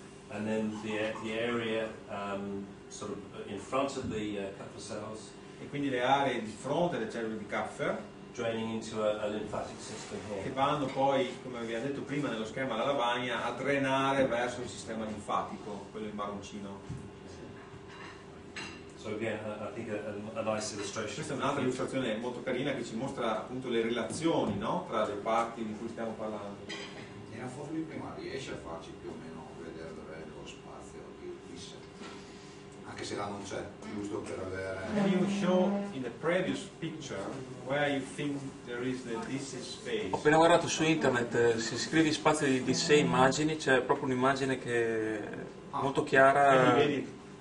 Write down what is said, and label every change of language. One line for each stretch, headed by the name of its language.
English: And then the area sort of in front of the Kupffer cells.
Italian: E quindi le aree di fronte alle cellule di Kupffer.
English: Draining into a lymphatic system here.
Italian: Che vanno poi, come vi ho detto prima nello schema della lavagna, a drenare verso il sistema linfatico, quello in marroncino.
English: So again, I think a nice illustration.
Italian: Questa è un'altra illustrazione molto carina che ci mostra appunto le relazioni, no, tra le parti di cui stiamo parlando. E la forma prima riesce a farci più o meno vedere dove è lo spazio di se. Anche se là non c'è, giusto per avere.
English: Can you show in the previous picture where you think there is the DC space?
Italian: Ho appena guardato su internet, se scrivi spazio di DC immagini, c'è proprio un'immagine che è molto chiara.